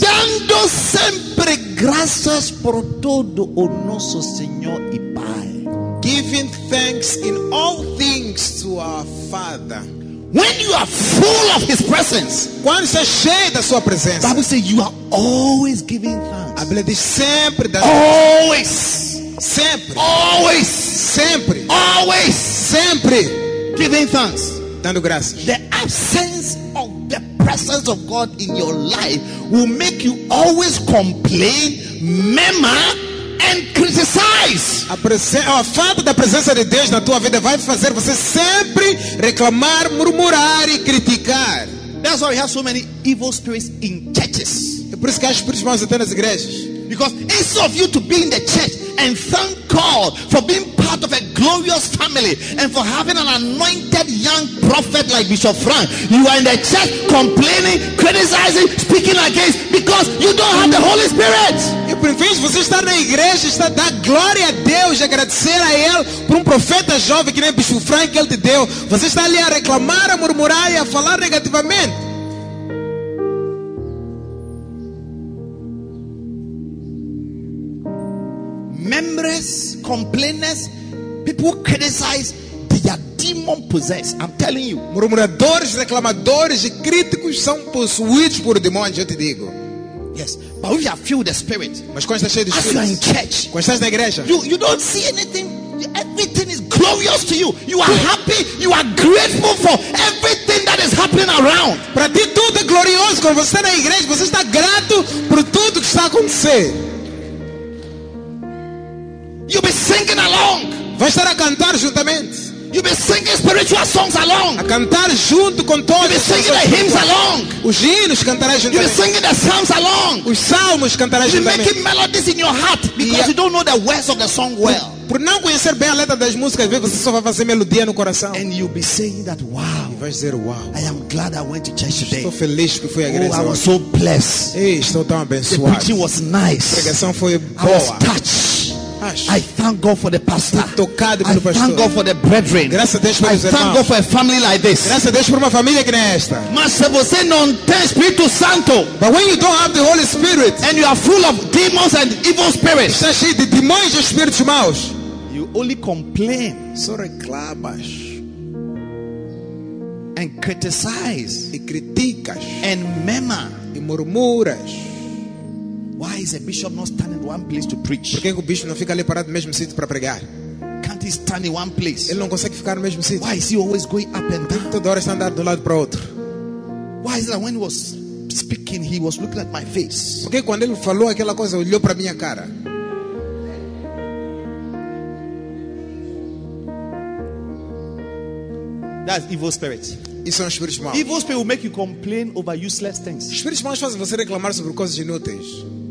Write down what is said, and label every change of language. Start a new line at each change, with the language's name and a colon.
Portuguese: Dando sempre graças por todo o nosso Senhor e Pai.
English: Giving thanks in all things to our Father. When you are full of His presence.
Portuguese: Quando você é cheio da sua presença.
English: Bible says you are always giving thanks.
Portuguese: A Bíblia diz sempre da
English: always.
Portuguese: Sempre.
English: Always.
Portuguese: Sempre.
English: Always.
Portuguese: Sempre.
English: Giving thanks.
Portuguese: Dando graças.
English: The absence of the presence of God in your life will make you always complain, murmur, and criticize.
Portuguese: A falta da presença de Deus na tua vida vai fazer você sempre reclamar, murmurar e criticar.
English: That's why we have so many evil spirits in churches.
Portuguese: É por isso que há espíritos maus até nas igrejas.
English: Because instead of you to be in the church and thank God for being part of a glorious family and for having an anointed young prophet like Bishop Frank, you are in the church complaining, criticizing, speaking against because you don't have the Holy Spirit.
Portuguese: E por vez você está na igreja, está a dar glória a Deus e agradecer a Ele por profeta jovem que nem Bishop Frank que Ele te deu. Você está ali a reclamar, a murmurar e a falar negativamente.
English: Members, complainers, people who criticize, they are demon possessed. I'm telling you.
Portuguese: Murmuradores, reclamadores e críticos são possuídos por demônios, eu te digo.
English: Yes, but if you are filled with the Spirit,
Portuguese: mas quando estás cheio do Espírito,
English: as you are in church,
Portuguese: quando estás na igreja,
English: you don't see anything. Everything is glorious to you. You are happy. You are grateful for everything that is happening around.
Portuguese: Para ti tudo é glorioso. Quando você está na igreja, você está grato por tudo que está acontecendo.
English: You'll be singing along.
Portuguese: Vai estar a cantar juntamente.
English: You'll be singing spiritual songs along.
Portuguese: A cantar junto com todos.
English: You'll be singing the hymns along.
Portuguese: Os hinos cantarás juntamente.
English: You'll be singing the psalms along.
Portuguese: Os salmos cantarás juntamente.
English: You'll be making melodies in your heart because you don't know the words of the song well.
Portuguese: Por não conhecer bem a letra das músicas, você só vai fazer melodia no coração.
English: And you'll be saying that, wow.
Portuguese: E vai dizer, wow.
English: I am glad I went to church today.
Portuguese: Estou feliz que fui à igreja hoje.
English: I was so blessed.
Portuguese: Ei, estou tão abençoado.
English: The preaching was nice.
Portuguese: A pregação foi boa.
English: I was touched. I thank God for the pastor.
Portuguese: Tocado pelo pastor.
English: I thank God for the brethren.
Portuguese: Graças a Deus pelos irmãos.
English: I thank God for a family like this.
Portuguese: Graças a Deus por uma família que nem esta. Mas se você não tem Espírito Santo,
English: but when you don't have the Holy Spirit, and you are full of demons and evil spirits,
Portuguese: está cheio de demônios e espíritos maus,
English: you only complain,
Portuguese: só reclamas,
English: and criticize,
Portuguese: e criticas,
English: and murmur,
Portuguese: e murmuras.
English: Why is a bishop not standing in one place to preach?
Portuguese: Por que o bispo não fica ali parado no mesmo sítio para pregar?
English: Can't he stand in one place?
Portuguese: Ele não consegue ficar no mesmo sítio.
English: Why is he always going up and down?
Portuguese: Toda hora está andando de um lado para outro.
English: Why is that when he was speaking, he was looking at my face?
Portuguese: Por que quando ele falou aquela coisa, olhou para minha cara?
English: That's evil spirit.
Portuguese: Isso é um espírito mau.
English: Evil spirit will make you complain over useless things.
Portuguese: Espíritos maus fazem você reclamar sobre coisas inúteis.